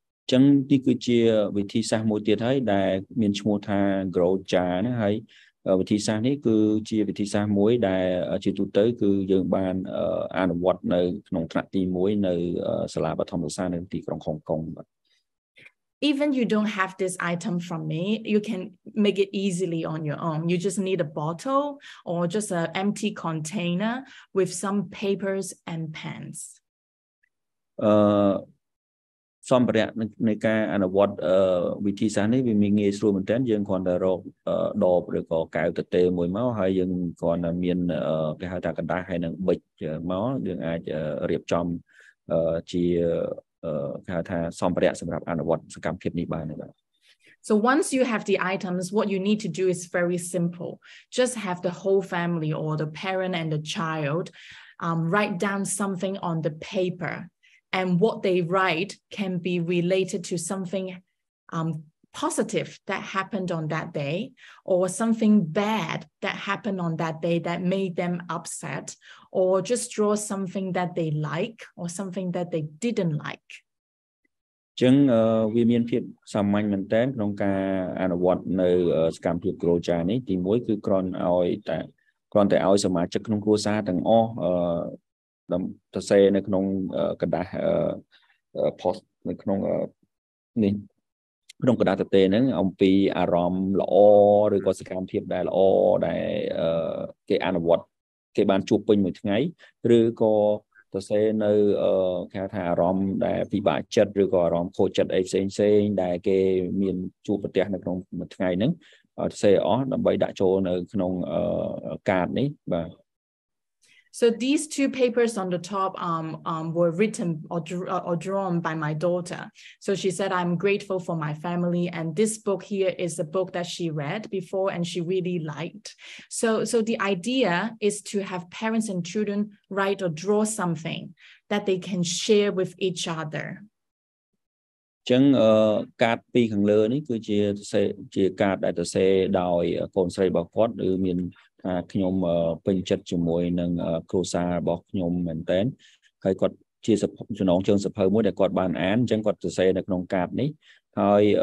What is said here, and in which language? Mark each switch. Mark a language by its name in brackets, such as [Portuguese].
[Khmer] ចឹង នេះ គឺ ជា វិធី សាស្ត្រ មួយ ទៀត ហើយ ដែល មាន ឈ្មោះ ថា growth jar ណា ហើយ វិធី សាស្ត្រ នេះ គឺ ជា វិធី សាស្ត្រ មួយ ដែល ជា ទូទៅ គឺ យើង បាន អនុវត្ត នៅ ក្នុង ថ្នាក់ ទី 1 នៅ សាលា បឋម សិក្សា នៅ ទី ក្រុង ហុងកុង ហុងកុង បាទ [English] Even you don't have this item from me, you can make it easily on your own. You just need a bottle or just an empty container with some papers and pens. [Khmer] សម្ភារៈនៃការអនុវត្តវិធីសាស្ត្រនេះវាមានងាយស្រួលមែនទែនយើងគ្រាន់តែរកដបឬក៏កែវទទេមួយមកហើយយើងគ្រាន់តែមានគេហៅថាកណ្ដាស់ហើយនឹងប៊ិចមកយើងអាចរៀបចំជាគេហៅថាសម្ភារៈសម្រាប់អនុវត្តសកម្មភាពនេះបានបាទ [English] So once you have the items, what you need to do is very simple. Just have the whole family or the parent and the child write down something on the paper. And what they write can be related to something positive that happened on that day or something bad that happened on that day that made them upset or just draw something that they like or something that they didn't like. [Khmer] ចឹងវាមានភាពសាមញ្ញមែនទែនក្នុងការអនុវត្តនៅសកម្មភាពគ្រួសារនេះទី1គឺគ្រាន់ឲ្យតែគ្រាន់តែឲ្យសមាជិកក្នុងគ្រួសារទាំងអស់ដើម្បីសេនៅក្នុងក្រដាស់ post នៅក្នុងនេះក្នុងក្រដាស់ទទេហ្នឹងអំពីអារម្មណ៍ល្អឬក៏សកម្មភាពដែលល្អដែលគេអនុវត្តគេបានជួបពេញមួយថ្ងៃឬក៏សរសេរនៅគេថាអារម្មណ៍ដែលពិបាកចិត្តឬក៏អារម្មណ៍ខូចចិត្តអីផ្សេងផ្សេងដែលគេមានជួបប្រទះនៅក្នុងមួយថ្ងៃហ្នឹងសរសេរអស់ដើម្បីដាក់ចូលនៅក្នុងកាតនេះបាទ [English] So these two papers on the top were written or drawn by my daughter. So she said, I'm grateful for my family. And this book here is a book that she read before and she really liked. So the idea is to have parents and children write or draw something that they can share with each other. [Khmer] ចឹងកាតពីរខាងលើនេះគឺជាកាតដែលទៅសេដោយកូនស្រីរបស់គាត់ឬមានអាខ្ញុំពេញចិត្តជាមួយនឹងគ្រូសាស្ត្ររបស់ខ្ញុំមែនទែនហើយគាត់ជាចំណងជើងសភៅមួយដែលគាត់បានអានអញ្ចឹងគាត់សរសេរនៅក្នុងកាតនេះហើយ